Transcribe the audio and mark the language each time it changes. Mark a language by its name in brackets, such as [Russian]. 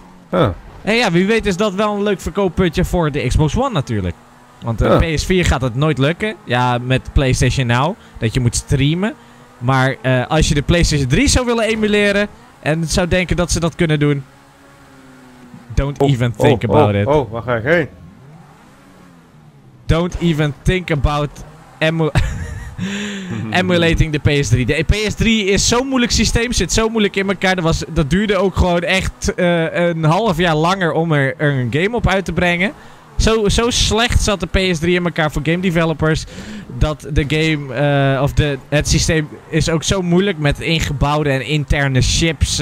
[Dutch] Huh. En ja, wie weet is dat wel een leuk verkooppuntje voor de Xbox One natuurlijk. Want PS4 gaat het nooit lukken. Ja, met PlayStation Now. Dat je moet streamen. Maar als je de PlayStation 3 zou willen emuleren. En zou denken dat ze dat kunnen doen. [English] Don't even think about it. [Dutch] Oh, waar ga ik heen? [English] Don't even think about emulating de PS3. [Dutch] De PS3 is zo'n moeilijk systeem. Zit zo moeilijk in elkaar. Dat duurde ook gewoon echt een half jaar langer om er een game op uit te brengen. Zo slecht zat de PS3 in elkaar voor game developers. Dat de game. Het systeem is ook zo moeilijk. Met ingebouwde en interne chips.